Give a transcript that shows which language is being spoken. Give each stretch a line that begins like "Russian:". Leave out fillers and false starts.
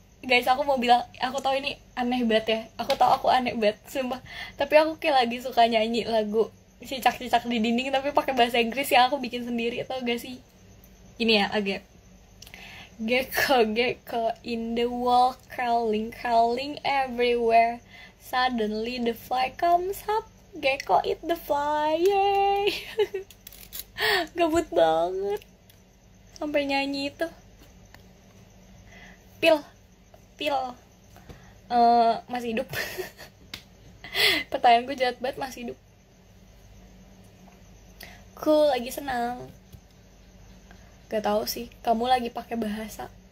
Indonesian: Guys, aku mau bilang, aku tau ini aneh banget ya. Aku tau aku aneh banget, sumpah. Tapi aku kayak lagi suka nyanyi lagu cicak-cicak di dinding tapi pakai bahasa Inggris yang aku bikin sendiri, atau gak sih? Gini ya, agak
English: gecko gecko in the wall crawling crawling everywhere, suddenly the fly comes up, gecko eat the fly, yay.
Indonesian: Gabut banget sampai nyanyi itu. Pil, pil, masih hidup? Pertanyaan gue jahat banget, masih hidup? Aku lagi senang. Gak tau sih, kamu lagi pakai bahasa.